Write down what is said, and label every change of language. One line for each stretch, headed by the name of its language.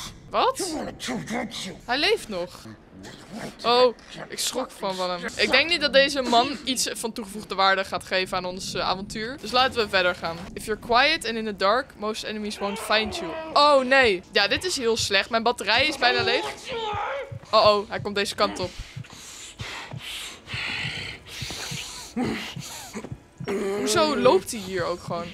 Dutch: Wat? Hij leeft nog. Oh, ik schrok van hem. Ik denk niet dat deze man iets van toegevoegde waarde gaat geven aan ons avontuur. Dus laten we verder gaan.
English: If you're quiet and in the dark, most enemies won't find you.
Dutch: Oh, nee. Ja, dit is heel slecht. Mijn batterij is bijna leeg. Oh, hij komt deze kant op. Hoezo loopt hij hier ook gewoon?